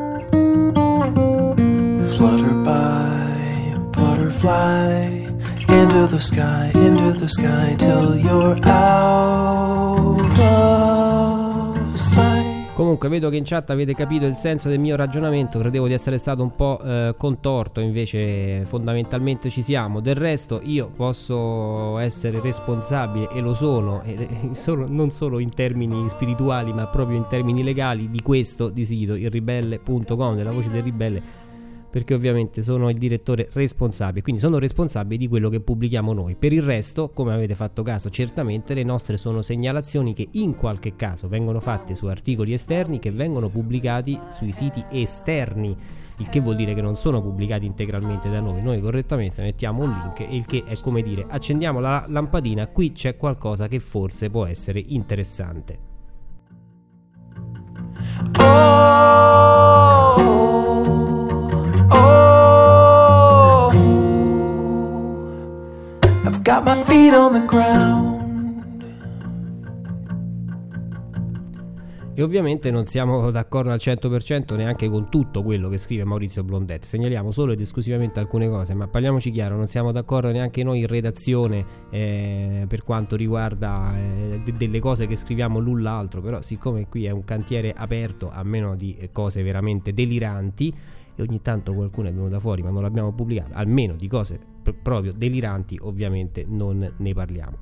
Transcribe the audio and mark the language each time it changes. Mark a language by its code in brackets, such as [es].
[en] Flutter by, butterfly, into the sky, till you're out of sight. [it] Comunque vedo che in chat avete capito il senso del mio ragionamento, credevo di essere stato un po' contorto, invece fondamentalmente ci siamo. Del resto io posso essere responsabile, e lo sono, non solo in termini spirituali ma proprio in termini legali, di questo di sito, irribelle.com, della voce del ribelle, perché ovviamente sono il direttore responsabile, quindi sono responsabile di quello che pubblichiamo noi. Per il resto, come avete fatto caso, certamente le nostre sono segnalazioni che in qualche caso vengono fatte su articoli esterni che vengono pubblicati sui siti esterni, il che vuol dire che non sono pubblicati integralmente da noi. Noi correttamente mettiamo un link, il che è come dire accendiamo la lampadina, qui c'è qualcosa che forse può essere interessante. [en] Got my feet on the ground. [it] E ovviamente non siamo d'accordo al 100% neanche con tutto quello che scrive Maurizio Blondet, segnaliamo solo ed esclusivamente alcune cose, ma parliamoci chiaro, non siamo d'accordo neanche noi in redazione per quanto riguarda delle cose che scriviamo l'un l'altro, però siccome qui è un cantiere aperto a meno di cose veramente deliranti, e ogni tanto qualcuno è venuto da fuori ma non l'abbiamo pubblicato, almeno di cose proprio deliranti ovviamente non ne parliamo.